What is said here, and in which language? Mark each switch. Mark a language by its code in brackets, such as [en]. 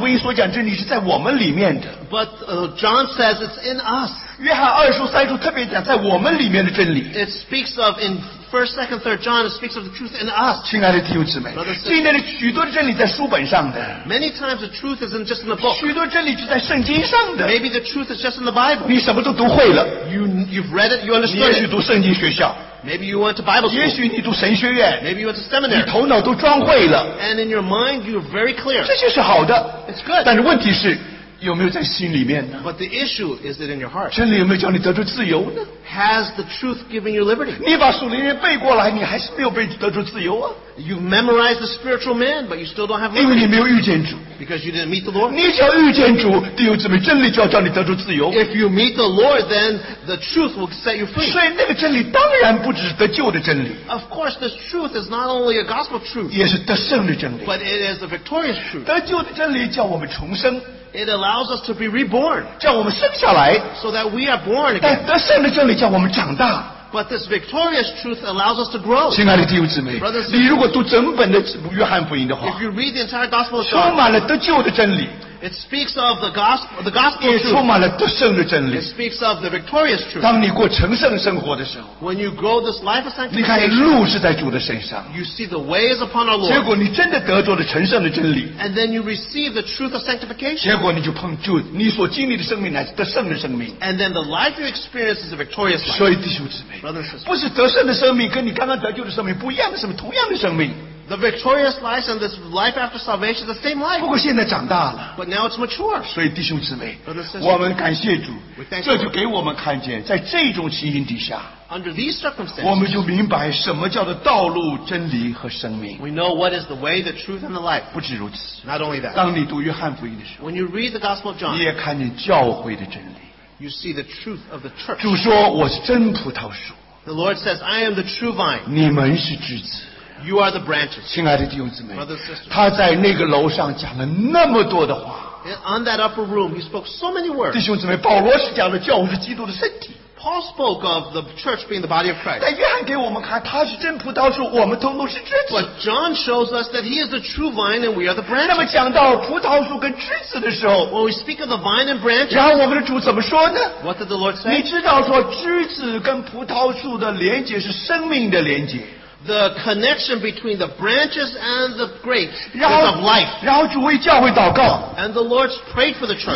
[zh] 但是约翰福音所讲真理是在我们里面的, [en] but John says it's in us. [zh] 约翰二书三书特别讲在我们里面的真理, [en] it speaks of in First, Second, Third John speaks of the truth in us. [zh] 亲爱的弟兄姊妹, 今天的许多真理在书本上的, [en] many times the truth isn't just in the book. [zh] 许多真理就在圣经上的, [en] maybe the truth is just in the Bible. [zh] 你什么都读会了, [en] you've read it, you understood. [zh] 你也许读圣经学校, [en] maybe you went to Bible school. [zh] 也许你读神学院, [en] maybe you went to seminary. [zh] 你头脑都装会了, [en] and in your mind you're very clear. [zh] 这些是好的, [en] it's good. [zh] 但是问题是, 有没有在心里面呢? [en] But the issue, is it in your heart? [zh] 真理有没有叫你得出自由呢? [en] Has the truth given you liberty? [zh] 你把属灵人背过来, 你还是没有被得出自由啊? [en] You memorized the spiritual man, but you still don't have liberty. [zh] 因为你没有遇见主, [en] because you didn't meet the Lord. [zh] 你只要遇见主, 弟兄姊妹, 真理就要叫你得出自由。 [en] If you meet the Lord, then the truth will set you free. [zh] 所以那个真理当然不只是得救的真理。 [en] Of course, this truth is not only a gospel truth, [zh] 也是得胜的真理。 [en] But it is a victorious truth. [zh] 得救的真理叫我们重生。 [en] It allows us to be reborn, [zh] 叫我们生下来, [en] so that we are born again. [zh] 但得胜的真理叫我们长大, [en] but this victorious truth allows us to grow. [zh] 亲爱的弟兄姊妹, [en] brothers, [zh] 你如果读整本的约翰福音的话, [en] if you read the entire gospel of God, [zh] 充满了得救的真理, [en] it speaks of the gospel truth. [zh] 充满了得胜的真理, [en] it speaks of the victorious truth. [zh] 当你过成圣生活的时候, [en] when you grow this life of sanctification, [zh] 你看路是在主的身上, [en] you see the way is upon our Lord. [zh] 结果你真的得着了成圣的真理, [en] and then you receive the truth of sanctification. [zh] 结果你就碰住你所经历的生命乃是得胜的生命, [en] and then the life you experience is a victorious life. [zh] 所以弟兄姊妹, [en] brothers and sisters, [zh] 不是得胜的生命跟你刚刚得救的生命不一样的生命, [en] the victorious life and this life after salvation is the same life. [zh] 不过现在长大了, [en] but now it's mature. [zh] 所以弟兄姊妹, [en] sisters, [zh] 我们感谢主, [en] we thank [zh] 这就给我们看见, 在这种情形底下, [en] under these circumstances, [zh] 我们就明白什么叫做道路真理和生命。 [en] We know what is the way, the truth, and the life. [zh] 不止如此, [en] not only that, [zh] 当你读约翰福音的时候, [en] when you read the gospel of John, [zh] 你也看见教会的真理。 [en] You see the truth of the church. [zh] 主说我是真葡萄树。 [en] The Lord says, I am the true vine. [zh] 你们是枝子。 [en] You are the branches. [zh] 亲爱的弟兄姊妹, [en] brothers and sisters, [zh] 他在那个楼上讲了那么多的话。 [en] On that upper room, he spoke so many words. [zh] 弟兄姊妹, 保罗是讲的教会是基督的身体。 [en] Paul spoke of the church being the body of Christ. [zh] 但约翰给我们看, 他是真葡萄树, 我们通通是枝子。 [en] But John shows us that he is the true vine and we are the branches. [zh] 那么讲到葡萄树跟枝子的时候, [en] when we speak of the vine and branches, [zh] 然后我们的主怎么说呢? [en] What did the Lord say? [zh] 你知道说枝子跟葡萄树的连结是生命的连结。 [en] The connection between the branches and the grapes is of life. [zh] 然后主为教会祷告, [en] and the Lord prayed for the church,